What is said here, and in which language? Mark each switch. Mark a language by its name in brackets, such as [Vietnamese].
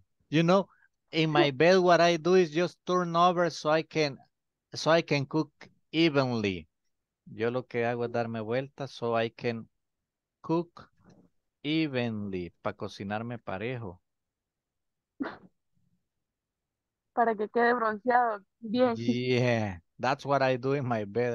[English] You know, in my bed, what I do is just turn over so I can cook evenly. [Spanish] Yo lo que hago es darme vuelta [English] so I can cook evenly, [Spanish] para cocinarme parejo. Para que quede bronceado bien. [English] Yeah, that's what I do in my bed.